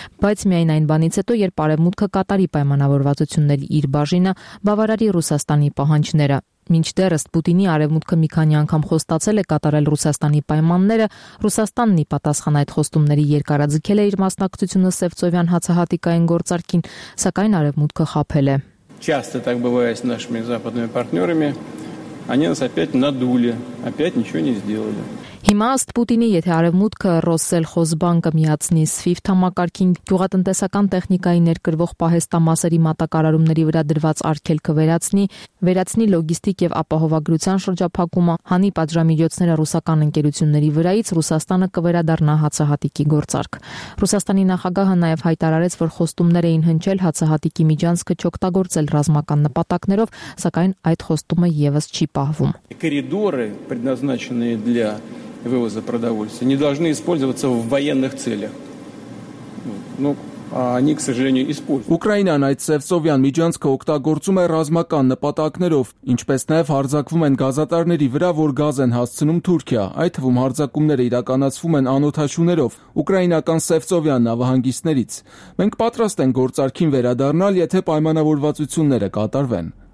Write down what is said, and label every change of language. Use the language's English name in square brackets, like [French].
[Armenian] բայց միայն այն բանից հետո, երբ Արևմուտքը կատարի պայմանավորվածությունների իր բաժինը, բավարարի Ռուսաստանի պահանջները։ Մինչդեռ ըստ Պուտինի Արևմուտքը մի քանի անգամ խոստացել է կատարել Ռուսաստանի պայմանները, Ռուսաստանն ի պատասխան այդ խոստումների երկարաձգել է իր մասնակցությունը Սևծովյան հացահատիկային գործարքին, սակայն Արևմուտքը խաբել է։ [Russian] Часто так бывает с нашими западными партнёрами, они нас опять надули, опять ничего не сделали. [Armenian] Հիմա ըստ Պուտինի, եթե Արևմուտքը Ռոսսելխոզ բանկը միացնի Swift համակարգին, գյուղատնտեսական տեխնիկայի ներկրվող պահեստամասերի մատակարարումների վրա դրված արգելքը վերացնի լոգիստիկ եւ ապահովագրության շրջափակումը, հանի պատժամիջոցները ռուսական ընկերությունների վրայից, Ռուսաստանը կվերադառնա հացահատիկի գործարք։ Ռուսաստանի նախագահը նաեւ հայտարարեց, որ խոստումներ էին հնչել հացահատիկի միջանցքը չօգտագործել ռազմական նպատակներով, սակայն այդ խոստումը եւս չի պահվում։ [Russian] Կորիդորը, предназначенные для вывоза продовольствия, не должны использоваться в военных целях. Ну, а они, к сожалению, используют. [Armenian] Ուկրաինան այդ Սևծովյան միջանցքը օգտագործում է ռազմական նպատակներով, ինչպես նաև հարձակվում են գազատարների վրա, որ գազ են հասցնում Թուրքիա, այդ թվում հարձակումները իրականացվում են անոթաշուներով, ուկրաինական Սևծովյան նավահանգիստներից։ Մենք պատրաստ ենք գործարքին վերադառնալ, եթե պայմանավորվածությունները կատարվեն։